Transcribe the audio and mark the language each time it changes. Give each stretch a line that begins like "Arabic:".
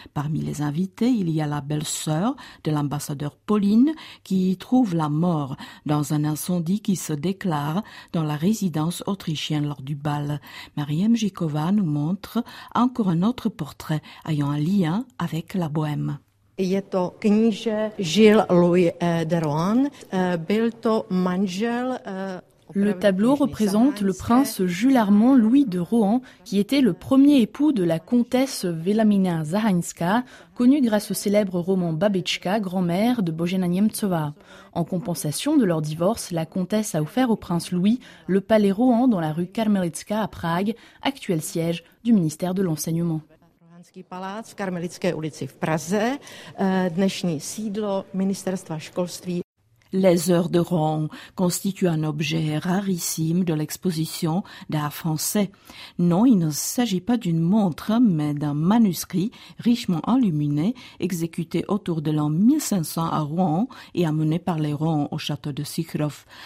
French: Parmi les invités, il y a la belle-sœur de l'ambassadeur Pauline qui y trouve la mort dans un incendie qui se déclare dans la résidence autrichienne lors du bal. Marie Mjikova nous montre encore un autre portrait ayant un lien avec la Bohème.
Czech: Je to kníže Gilles Louis de Rohan, byl to manžel.
French: Le tableau représente le prince Jules Armand Louis de Rohan, qui était le premier époux de la comtesse Wilhelmina Zahańska, connue grâce au célèbre roman Babichka, grand-mère de Bojena Niemcova. En compensation de leur divorce, la comtesse a offert au prince Louis le palais Rohan dans la rue Karmelitska à Prague, actuel siège du ministère de l'Enseignement.
Czech: Karmelitské ulici v Praze, dnešní sídlo ministerstva školství.
French: Les heures de rang constituent un objet rarissime de l'exposition d'art français. Non, il ne s'agit pas d'une montre, mais d'un manuscrit richement enluminé, exécuté autour de l'an 1500 à Rouen et amené par les Rouens au château de Sikhrov.